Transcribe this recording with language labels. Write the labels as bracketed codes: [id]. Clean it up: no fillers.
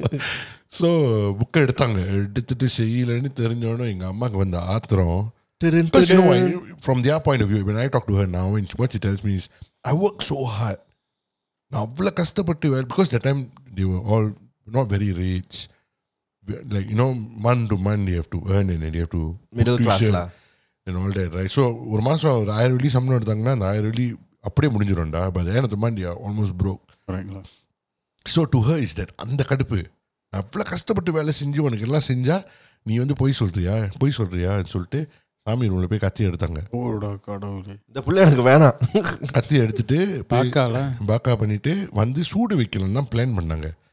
[ta] எடுத்துட்டு செய்யலன்னு தெரிஞ்சோனும் எங்க அம்மாக்கு வந்த ஆத்திரம். [en] Because you know, from their point of view, when I talk to her now, and what she tells me is, I work so hard. Because that time, they were all not very rich. Like, you know, month to month, they have to earn and they have to... Middle class. And all that, right? So, one month, by the end of the month, they are almost broke. Right. So, to her, is that, [ta] அந்த கடுப்பு. அவ்வளோ கஷ்டப்பட்டு வேலை செஞ்சு உனக்கு எல்லாம் செஞ்சா நீ வந்து பொய் சொல்றியான்னு சொல்லிட்டு சாமி ரூம்ல போய் கத்தி எடுத்தாங்க. இந்த பிள்ளை எனக்கு வேணாம். கத்தி எடுத்துட்டு பாக்கா பண்ணிட்டு வந்து சூடு வைக்கலன்னு தான் பிளான் பண்ணாங்க.